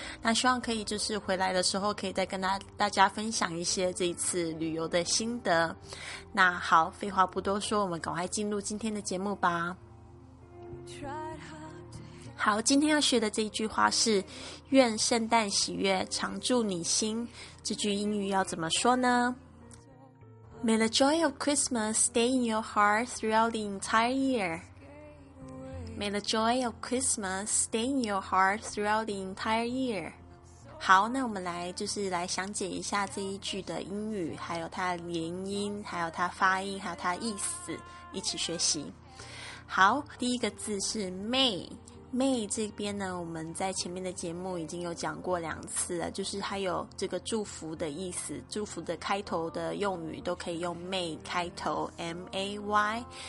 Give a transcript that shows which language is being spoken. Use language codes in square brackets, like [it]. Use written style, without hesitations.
[zh] 那希望可以就是回来的时候可以再跟大家分享一些这一次旅游的心得。那好，废话不多说，我们赶快进入今天的节目吧。好，今天要学的这一句话是愿圣诞喜悦常驻你心，这句英语要怎么说呢？ [en] May the joy of Christmas stay in your heart throughout the entire year. May the joy of Christmas stay in your heart throughout the entire year. [zh] 好，那我们来就是来详解一下这一句的英语，还有它的连音，还有它发音，还有它的意思，一起学习。好，第一个字是 May。May 这边呢，我们在前面的节目已经有讲过两次了，就是它有这个祝福的意思，祝福的开头的用语都可以用 May 开头 ，May。